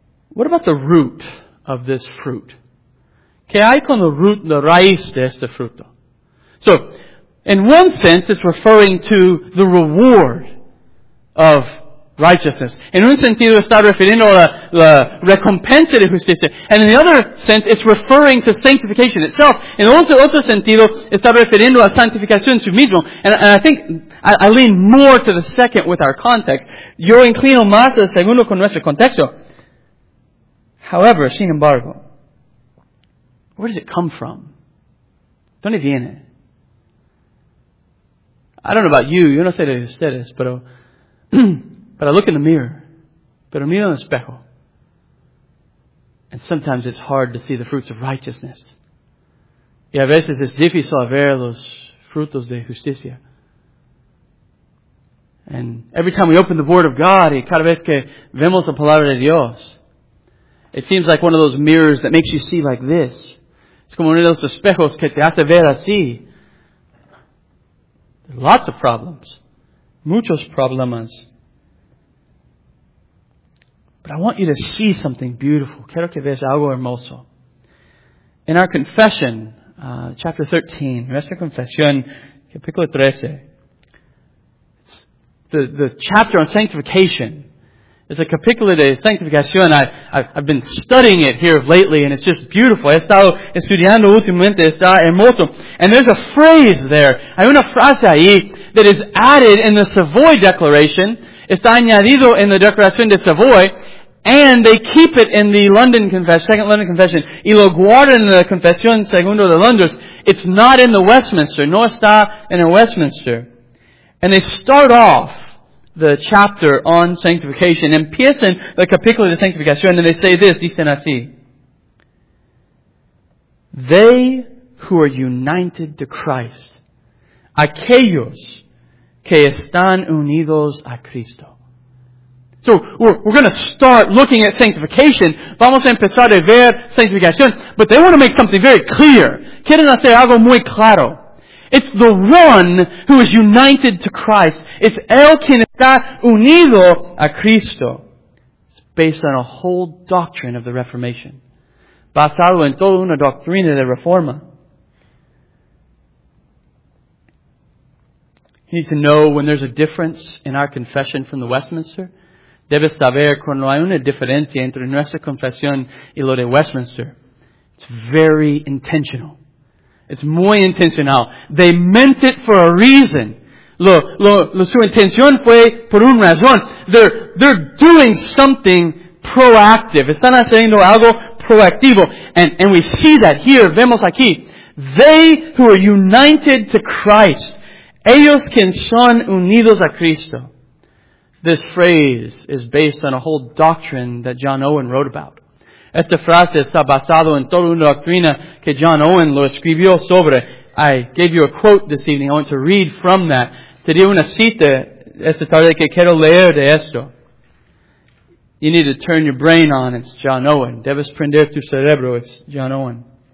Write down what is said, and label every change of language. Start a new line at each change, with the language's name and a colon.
English: What about the root of this fruit?
Spanish: ¿Qué hay con la root, la raíz de este fruto?
English: So, in one sense, it's referring to the reward of righteousness.
Spanish: En un sentido, está refiriendo a la recompensa de justicia.
English: And in the other sense, it's referring to sanctification itself.
Spanish: En otro sentido, está refiriendo a santificación su mismo.
English: And I think I lean more to the second with our context.
Spanish: Yo inclino más al segundo con nuestro contexto.
English: However,
Spanish: sin embargo,
English: where does it come from?
Spanish: ¿Dónde viene?
English: I don't know about you,
Spanish: yo no sé de ustedes,
English: but I look in the mirror,
Spanish: pero miro en el espejo,
English: and sometimes it's hard to see the fruits of righteousness.
Spanish: Y a veces es difícil ver los frutos de justicia.
English: And every time we open the Word of God,
Spanish: y cada vez que vemos la Palabra de Dios,
English: It seems like one of those mirrors that makes you see like this.
Spanish: Es como uno de los espejos que te hace ver así.
English: Lots of problems.
Spanish: Muchos problemas.
English: But I want you to see something beautiful.
Spanish: Quiero que veas algo hermoso.
English: In our confession, chapter 13,
Spanish: nuestra confesión, capítulo 13,
English: the chapter on sanctification. It's a
Spanish: capítulo de sanctificación.
English: I've been studying it here lately, and it's just beautiful.
Spanish: He estado estudiando últimamente, está hermoso.
English: And there's a phrase there.
Spanish: Hay una frase ahí
English: that is added in the Savoy Declaration.
Spanish: Está añadido en la Declaración de Savoy.
English: And they keep it in the London Confession, Second London Confession.
Spanish: Y lo guardan en la Confesión Segundo de Londres.
English: It's not in the Westminster.
Spanish: No está en el Westminster.
English: And they start off the chapter on sanctification.
Spanish: Empiezan el capítulo de sanctificación.
English: And they say this,
Spanish: dicen así.
English: They who are united to Christ.
Spanish: Aquellos que están unidos a Cristo.
English: So, we're going to start looking at sanctification.
Spanish: Vamos a empezar a ver sanctificación.
English: But they want to make something very clear.
Spanish: Quieren hacer algo muy claro.
English: It's the one who is united to Christ. It's
Spanish: el quien está unido a Cristo.
English: It's based on a whole doctrine of the Reformation.
Spanish: Basado en toda una doctrina de Reforma.
English: You need to know when there's a difference in our confession from the Westminster.
Spanish: Debes saber cuando hay una diferencia entre nuestra confesión y lo de Westminster. It's very intentional. It's muy intencional.
English: They meant it for a reason.
Spanish: Su intención fue por una razón.
English: They're doing something proactive.
Spanish: Están haciendo algo proactivo.
English: And we see that here.
Spanish: Vemos aquí.
English: They who are united to Christ.
Spanish: Ellos quien son unidos a Cristo.
English: This phrase is based on a whole doctrine that John Owen wrote about.
Spanish: Esta frase está basada en toda una doctrina que John Owen lo escribió sobre.
English: I gave you a quote this evening. I want to read from that.
Spanish: Te di una cita esta tarde que quiero leer de esto.
English: You need to turn your brain on. It's John Owen.
Spanish: Debes prender tu cerebro.
English: It's John Owen.